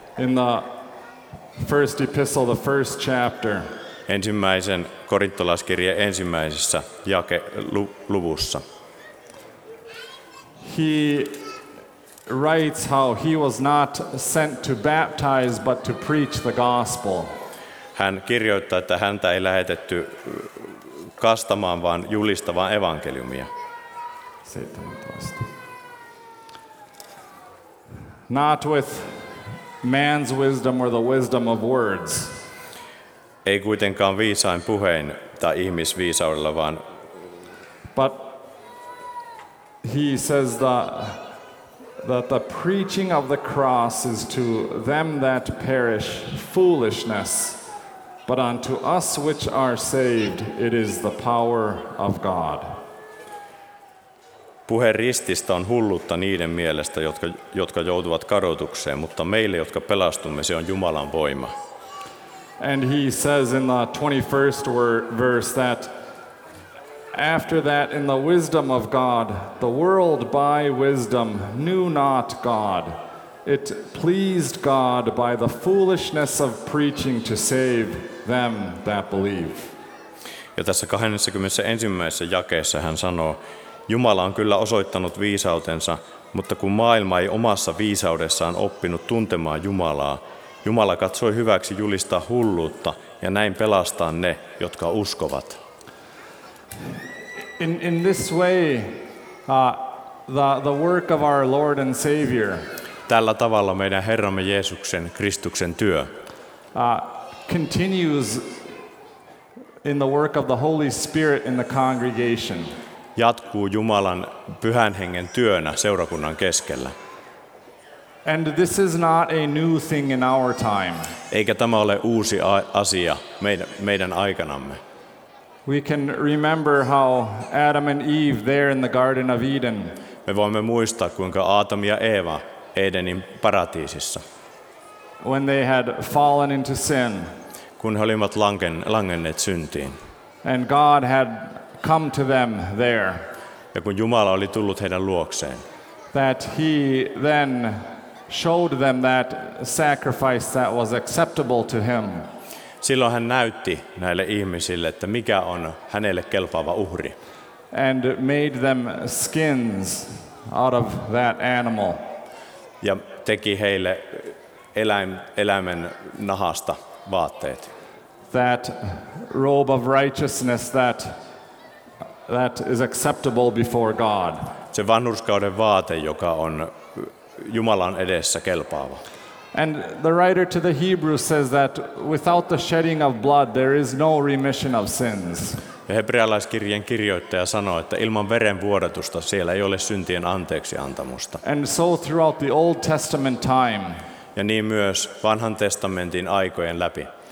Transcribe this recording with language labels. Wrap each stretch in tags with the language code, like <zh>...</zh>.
<en>In the first epistle, the first chapter.</en> <fi>Ensimmäisen korintolaiskirjeen ensimmäisessä luvussa.</fi> <en>He writes how he was not sent to baptize but to preach the gospel.</en> <fi>Hän kirjoittaa, että häntä ei lähetetty kastamaan vaan julistamaan evankeliumia.</fi> <en>17. Not with man's wisdom or the wisdom of words.</en> <fi>Ei kuitenkaan viisain puheen tai ihmisviisaudella vaan.</fi> <en>But he says that the preaching of the cross is to them that perish foolishness, but unto us which are saved it is the power of God.</en> <fi>Puhe rististä on hullutta niiden mielestä, jotka joutuvat kadotukseen, mutta meille, jotka pelastumme, se on Jumalan voima.</fi> <en>And he says in the 21st verse that after that, in the wisdom of God, the world by wisdom knew not God. It pleased God by the foolishness of preaching to save them that believe.</en> <fi>Ja tässä 21. jakeessa hän sanoo, Jumala on kyllä osoittanut viisautensa, mutta kun maailma ei omassa viisaudessaan oppinut tuntemaan Jumalaa, Jumala katsoi hyväksi julistaa hulluutta ja näin pelastaa ne, jotka uskovat.</fi> <en>In this way, the work of our Lord and Savior.</en> <fi>Tällä tavalla meidän Herramme Jeesuksen Kristuksen työ</fi> <en>continues in the work of the Holy Spirit in the congregation.</en> <fi>Jatkuu Jumalan Pyhän Hengen työnä seurakunnan keskellä.</fi> <en>And this is not a new thing in our time.</en> <fi>Eikä tämä ole uusi asia meidän aikanamme.</fi> <en>We can remember how Adam and Eve there in the Garden of Eden.</en> <fi>Me voimme muistaa kuinka Aatam ja Eeva Edenin paratiisissa.</fi> <en>When they had fallen into sin.</en> <fi>Kun he olivat langenneet syntiin.</fi> <en>And God had come to them there.</en> <fi>Ja kun Jumala oli tullut heidän luokseen.</fi> <en>That he then showed them that sacrifice that was acceptable to him.</en> <fi>Silloin hän näytti näille ihmisille, että mikä on hänelle kelpaava uhri.</fi> <en>And made them skins out of that animal.</en> <fi>Ja teki heille eläimen nahasta vaatteet.</fi> <en>That robe of righteousness that is acceptable before God.</en> <fi>Se vanhurskauden vaate, joka on Jumalan edessä kelpaava.</fi> <en>And the writer to the Hebrews says that without the shedding of blood there is no remission of sins.</en> <fi>Ja hebrealaiskirjeen kirjoittaja sanoo, että ilman veren vuodatusta siellä ei ole syntien anteeksi antamusta.</fi> <en>And so throughout the Old Testament time.</en> <fi>Ja niin myös vanhan testamentin aikojen läpi.</fi>